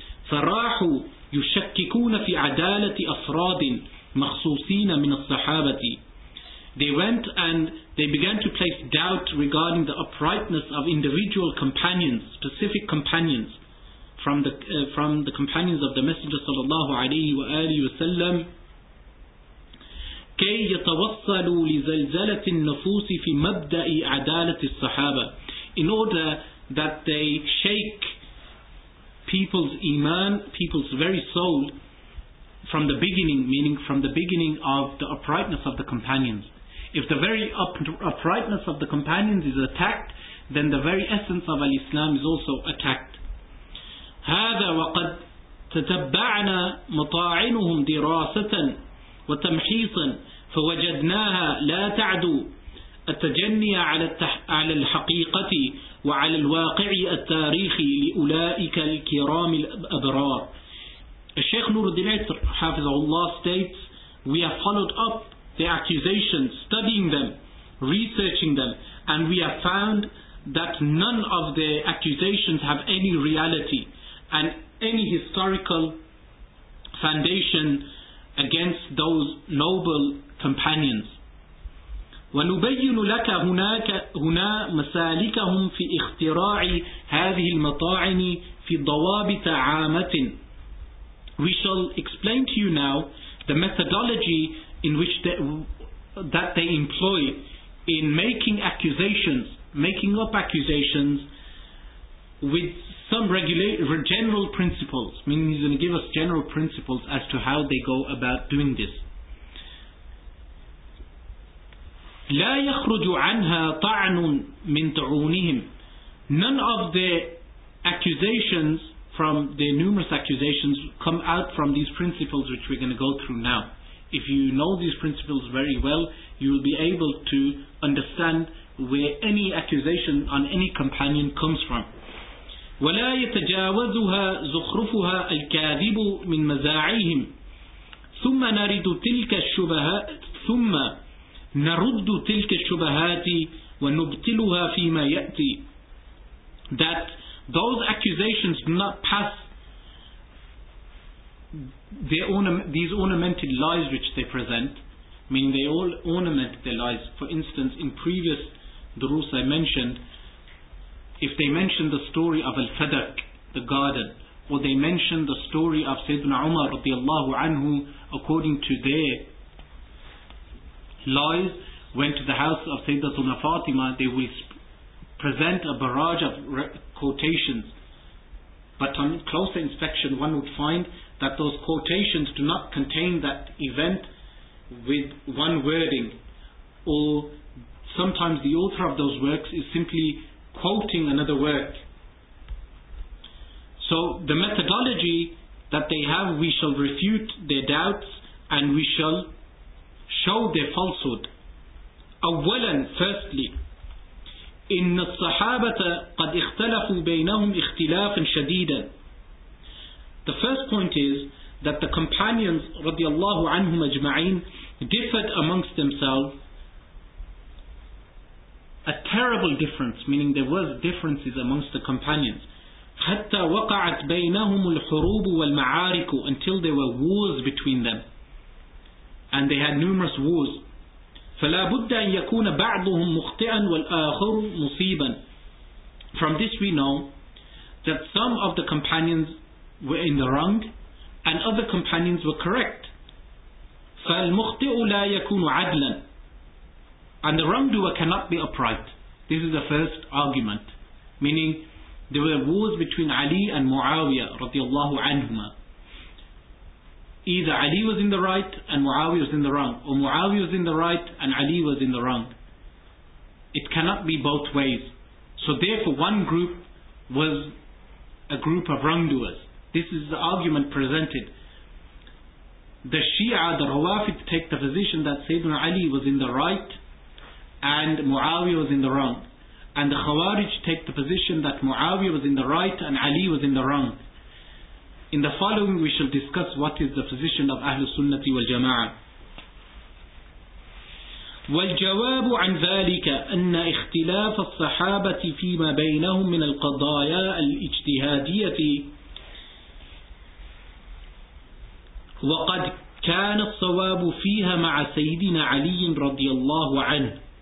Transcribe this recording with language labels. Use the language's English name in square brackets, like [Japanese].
[Arabic] فَرَاحُوا يُشَكِّكُونَ فِي عَدَالَةِ أَفْرَادٍ مَخْصُوصِينَ مِنَ الصَّحَابَةِ. [English] They went and they began to place doubt regarding the uprightness of individual companions, specific companions from the companions of the Messenger sallallahu alayhi wa alihi wa sallam. [Arabic] كي يتوصلوا لزلزلة النفوس في مبدأ عدالة الصحابة. [English] In order that they shake people's iman, people's very soul, from the beginning, meaning from the beginning of the uprightness of the companions. If the very uprightness of the companions is attacked, then the very essence of al-Islam is also attacked. [Arabic] هذا وقد تتبعنا مطاعنهم دراسة وتمحيصا فوجدناها لا تعدو التجني على الحقيقة وعلى الواقع التاريخي لأولئك الكرام الأبرار. [English] الشيخ نور الدين عطر حافظه الله states, we have followed up the accusations, studying them, researching them, and we have found that none of the accusations have any reality and any historical foundation against those noble companions. [Arabic] وَنُبَيِّنُ لَكَ هُنَا مَسَالِكَهُمْ فِي اِخْتِرَاعِ هَذِهِ الْمَطَاعِنِ فِي ضَوَابِتَ عَامَةٍ. [English] We shall explain to you now the methodology in which that they employ in making up accusations with some general principles, meaning he's going to give us general principles as to how they go about doing this. [Arabic] لا يخرج عنها طعن من طعونهم. [English] None of the accusations from the numerous accusations come out from these principles which we're going to go through now. If you know these principles very well, you will be able to understand where any accusation on any companion comes from. [Arabic] ولا يتجاوزها زخرفها الكاذب من مزاعيهم ثم نرد تلك الشبهات ثم نرد تلك الشبهات ونبطلها فيما يأتي. [English] That those accusations do not pass these ornamented lies which they present, meaning they all ornament their lies. For instance, in previous durus I mentioned, if they mention the story of Al-Fadak, the garden, or they mention the story of Sayyidina Umar radiallahu anhu, according to their lies, went to the house of Sayyidatuna Fatima, they will present a barrage of quotations. But on closer inspection, one would find that those quotations do not contain that event with one wording. Or sometimes the author of those works is simply quoting another work. So the methodology that they have, we shall refute their doubts and we shall show their falsehood. [Arabic] أولا, [English] firstly, [Arabic] إن الصحابة قد اختلفوا بينهم اختلافا شديدا. [English] The first point is that the companions [Arabic] رضي الله عنهم أجمعين [English] differed amongst themselves a terrible difference, meaning there was differences amongst the companions. [Arabic] حتى وقعت بينهم الحروب والمعارك, [English] until there were wars between them, and they had numerous wars. [Arabic] فلا بد أن يكون بعضهم مخطئا والآخر مصيبا. [English] From this we know that some of the companions were in the wrong, and other companions were correct. [Arabic] فالمخطئ لا يكون عدلا, [English] and the wrongdoer cannot be upright. This is the first argument, meaning there were wars between Ali and Muawiyah radiallahu anhuma. Either Ali was in the right and Muawiyah was in the wrong, or Muawiyah was in the right and Ali was in the wrong. It cannot be both ways. So therefore one group was a group of wrongdoers. This is the argument presented. The Shia, the Rawafid, take the position that Sayyidina Ali was in the right and Muawiyah was in the wrong. And the Khawarij take the position that Muawiyah was in the right and Ali was in the wrong. In the following we shall discuss what is the position of Ahlul Sunnah wal Jama'ah. [Arabic] والجواب عن ذلك أن اختلاف الصحابة فيما بينهم من القضايا الاجتهادية وقد كان الصواب فيها مع سيدنا علي رضي الله عنه.